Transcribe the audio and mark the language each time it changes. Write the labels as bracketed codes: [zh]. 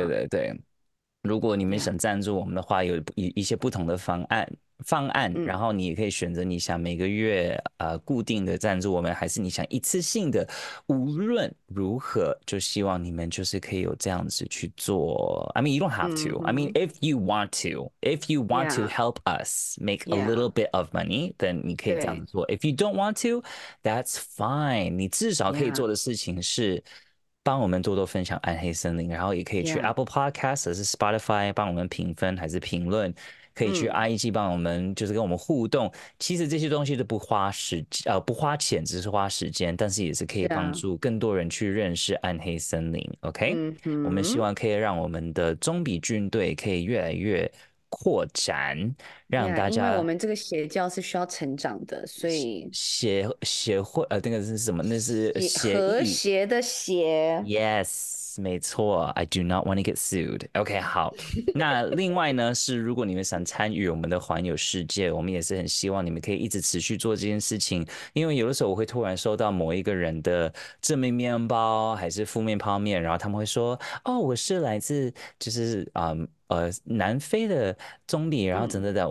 [zh] 对对对，如果你们想赞助我们的话，有一些不同的方案，然后你也可以选择你想每个月固定的赞助我们，还是你想一次性的。无论如何，就希望你们就是可以有这样子去做。 [en] I mean, you don't have to.、Mm-hmm. I mean, if you want to help us make a little bit of money, then [zh] 你可以这样子做。 [en] If you don't want to, that's fine. [zh] 你至少可以做的事情是帮我们多多分享暗黑森林，然后也可以去 Apple Podcast 还是 Spotify 帮我们评分还是评论。可以去 IG 帮我们，就是跟我们互动。其实这些东西都不花钱，只是花时间，但是也是可以帮助更多人去认识暗黑森林。 OK，、我们希望可以让我们的中比军队可以越来越扩展，让大家。因为我们这个邪教是需要成长的，所以协会那个是什么？那是协和谐的协。 [en] Yes。 [zh] 没错 [en] ，I do not want to get sued. [zh] OK， 好。那另外呢，是如果你们想参与我们的环游世界，我们也是很希望你们可以一直持续做这件事情。因为有的时候我会突然收到某一个人的正面面包还是负面泡面，然后他们会说：“哦，我是来自就是南非的中比，然后等等等。”